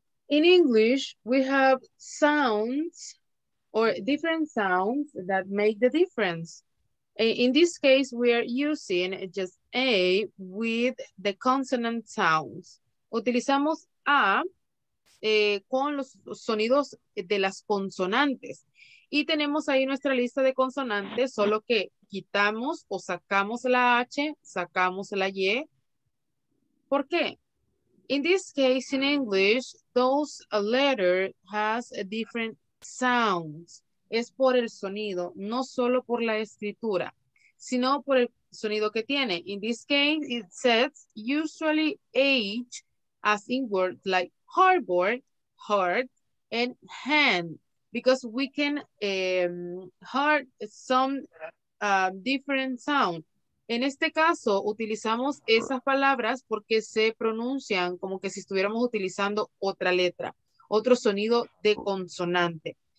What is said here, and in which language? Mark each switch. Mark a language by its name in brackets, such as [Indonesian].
[English] In English, we have sounds or different sounds that make the difference. In this case, we are using just A with the consonant sounds. [Spanish] Utilizamos A con los sonidos de las consonantes. Y tenemos ahí nuestra lista de consonantes, solo que quitamos o sacamos la H, sacamos la Y. ¿Por qué? [English] In this case, in English, those letters has different sounds. [Spanish] Es por el sonido, no solo por la escritura, sino por el sonido que tiene. [English] In this case, it says usually H as in words like hardboard, heart, and hand, because we can hear some different sound. [Spanish] En este caso, utilizamos esas palabras porque se pronuncian como que si estuviéramos utilizando otra letra, otro sonido de consonante.